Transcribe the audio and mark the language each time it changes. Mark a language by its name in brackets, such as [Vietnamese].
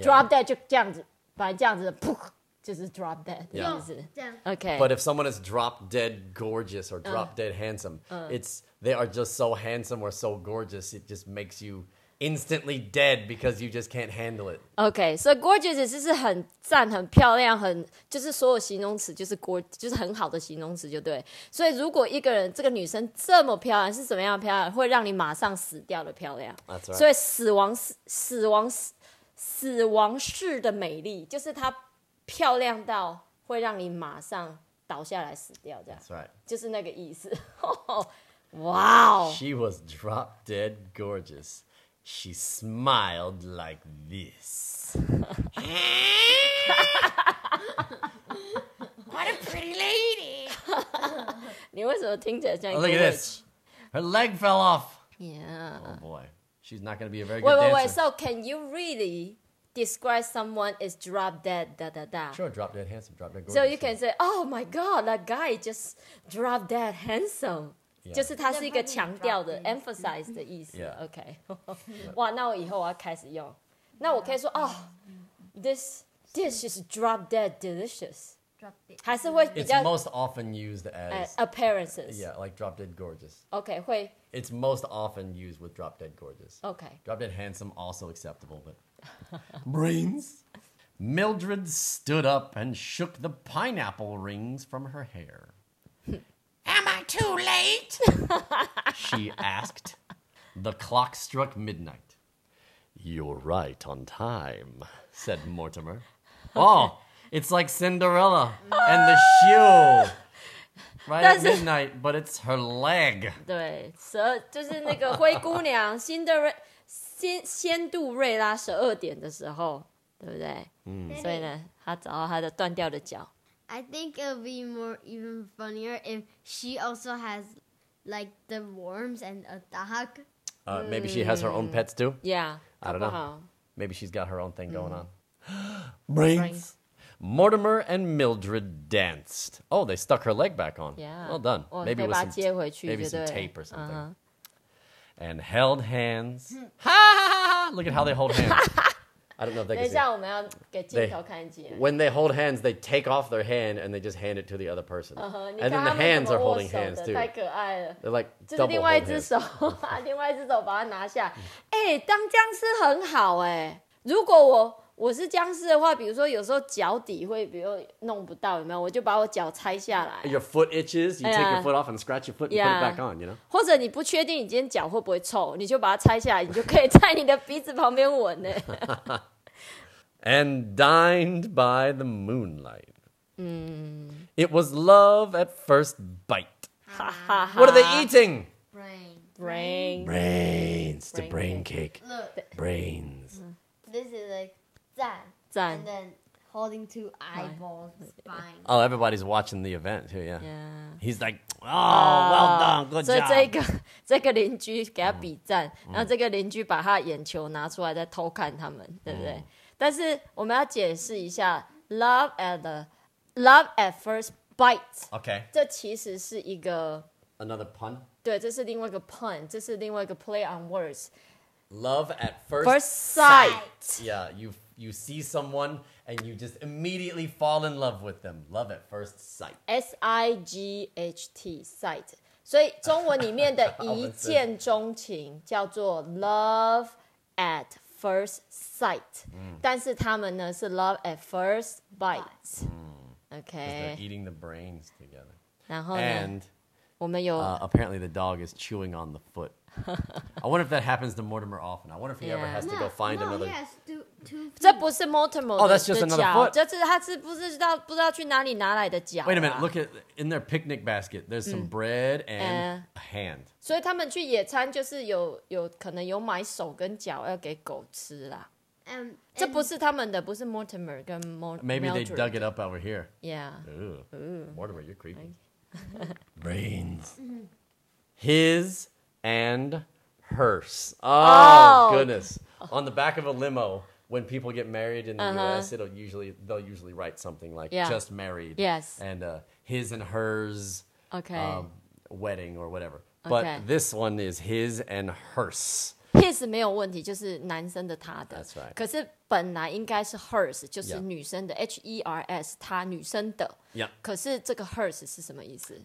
[English] Drop dead [Chinese] 就这样子，把这样子的噗，就是 [English] drop dead [Chinese] 的意思。这样。 [English] Okay. But if someone is drop dead gorgeous or drop dead handsome, it's, they are just so handsome or so gorgeous, it just makes you... instantly dead because you just can't handle it. Okay, so gorgeous is [Chinese] 就是很赞很漂亮很就是所有形容词就是 就是很好的形容词就对。所以如果一个人这个女生这么漂亮是怎么样漂亮会让你马上死掉的漂亮。 [English] That's right. [Chinese] 所以死亡式的美丽就是她漂亮到会让你马上倒下来死掉这样。 [English] That's right. [Chinese] 就是那个意思。 [English] Wow. She was drop dead gorgeous. She smiled like this. What a pretty lady. [Chinese] 你为什么听起来像一 [English] 个 Look at this. Her leg fell off. Yeah. Oh boy. She's not going to be a very good dancer. Wait. So can you really... Describe someone as drop dead, da da da. Sure, drop dead handsome, drop dead gorgeous. So you can say, oh my god, that guy just drop dead handsome. Yeah. [Chinese] 就是他是一个强调的 emphasize 的意思。 [English] Yeah. Okay. [Chinese] 哇，那我以后我要开始用。那我可以说， [English] oh, this dish is drop dead delicious. Drop dead. [Chinese] 还是会比较 [English] It's most often used as appearances. Yeah, like drop dead gorgeous. Okay, [Chinese] 会 [English] It's most often used with drop dead gorgeous. Okay. Drop dead handsome also acceptable, but. Brains. Mildred stood up and shook the pineapple rings from her hair. Am I too late? She asked. The clock struck midnight. You're right on time, said Mortimer. Okay. Oh, it's like Cinderella and the shoe. Right at midnight, but it's her leg. [Chinese] 对，所以就是那个灰姑娘，辛德瑞。仙杜瑞拉十二点的时候，对不对？嗯，所以呢，他找到他的断掉的脚。 [English] I think it'll be more even funnier if she also has like the worms and a dog. Maybe she has her own pets too. Yeah, I don't know. Maybe she's got her own thing going on. Brains. Mortimer and Mildred danced. Oh, they stuck her leg back on. Yeah. Well done. Maybe with some tape or something. And held hands. Ha ha ha ha! Look at how they hold hands. I don't know if they can see. [Chinese] 等一下，我们要给镜头看一眼。 [English] When they hold hands, they take off their hand and they just hand it to the other person. Uh-huh, and then the hands are holding hands too. [Chinese] 太可爱了。 [English] They're like double holding hands. [Chinese] 这是另外一只手，另外一只手把它拿下。哎，当僵尸很好哎。如果我是僵尸的话，比如说有时候脚底会，比如弄不到，有没有？我就把我脚拆下来。 [English] Your foot itches, you take your foot off and scratch your foot and put it back on, you know? [Chinese] 或者你不确定你今天脚会不会臭，你就把它拆下来，你就可以在你的鼻子旁边闻呢。 [English] And dined by the moonlight. Mm. It was love at first bite. Ha ha ha. What are they eating? Brains. Brains. The brain cake. Look. Brains. This is like. [Chinese] 赞 [English] 赞 and then holding two eyeballs, spine. Oh, everybody's watching the event too, yeah. Yeah. He's like, oh, well done, good job. [Chinese] 所以这个邻居给他比赞，然后这个邻居把他的眼球拿出来在偷看他们，对不对？但是我们要解释一下 [English] love at first bite. Okay. [Chinese] 这其实是一个 [English] another pun. [Chinese] 对，这是另外一个 pun， 这是另外一个 [English] play on words. Love at first, first sight. Yeah, you see someone and you just immediately fall in love with them. Love at first sight. S-I-G-H-T, sight. [Chinese] 所以中文里面的一见钟情叫做 [English] love at first sight.、 Mm. [Chinese] 但是他们呢是 [English] love at first bite.、 Mm. Okay. Because they're eating the brains together. [Chinese] 然后呢 [English] and [Chinese] 我们有、 [English] apparently the dog is chewing on the foot. I wonder if that happens to Mortimer often. I wonder if he ever has to go find another. Yes, [Chinese] 这不是 Mortimer 的脚。 [English] Oh, that's just another foot. [Chinese] 这是他是不是知道不知道去哪里拿来的脚、啊、 [English] ？Wait a minute. Look at in their picnic basket. There's some bread and a hand. [Chinese] 所以他们去野餐就是有可能有买手跟脚要给狗吃啦。这不是他们的，不是 Mortimer 跟 Mildred. [English] Maybe they dug it up over here. Yeah. Ooh. Mortimer, you're creepy. Brains. His. And hearse. Oh, goodness. On the back of a limo, when people get married in the U.S., they'll usually write something like, just married. Yes. And his and hers wedding or whatever. But this one is his and hearse. [Chinese] His 没有问题，就是男生的他的。 [English] That's right. [Chinese] 可是本来应该是 hers, 就是女生的。 [English] Yeah. H-E-R-S, [Chinese] 他女生的。 [English] Yeah. [Chinese] 可是这个 hearse 是什么意思